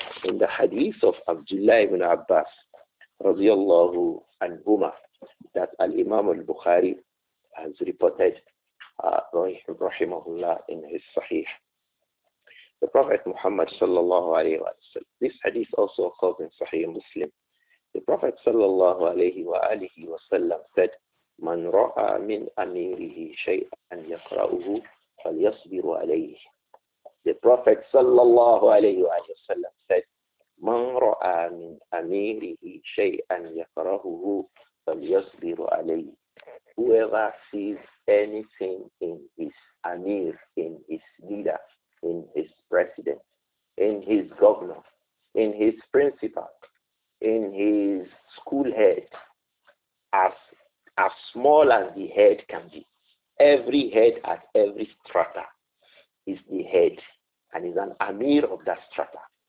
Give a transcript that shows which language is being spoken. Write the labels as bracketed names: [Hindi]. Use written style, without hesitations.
[English] In the hadith of Abdullah ibn Abbas radiyallahu anhumah, that al-Imam al-Bukhari has reported rahimahullah in his sahih, the Prophet Muhammad sallallahu alayhi wa sallam, this hadith also occurs in Sahih Muslim, the Prophet sallallahu alayhi wa sallam said, [Arabic] من رأى من أميره شيئا يقرأه فليصبر عليه. [English] The Prophet [Arabic] sallallahu alayhi wa sallam said, من رأى من أميره شيئا يقرأه فليصبر عليه. [English] Whoever sees anything in his Amir, in his leader, in his president, in his governor, in his principal, in his school head, as small as the head can be, every head at every strata is the head and is an Amir of that strata.